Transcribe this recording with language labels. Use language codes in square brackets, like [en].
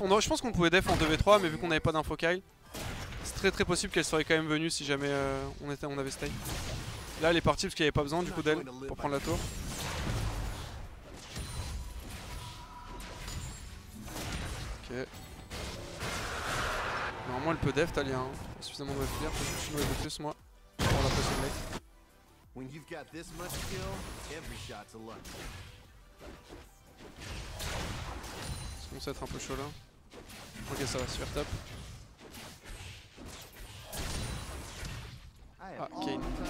[fr] Je pense qu'on pouvait def en 2v3, mais vu qu'on avait pas d'info Kyle, c'est très très possible qu'elle serait quand même venue si jamais on avait stay. Là, elle est partie parce qu'il n'y avait pas besoin du coup d'elle pour prendre la tour. Ok. Normalement elle peut def Talia hein. Il y a suffisamment de wave clear, faut que je suis noyé de plus moi. On la pression mec. [en] When you've got this much skill, every shot's a luck. [fr] Ça commence à être un peu chaud là. Ok ça va super top. Ah Kane.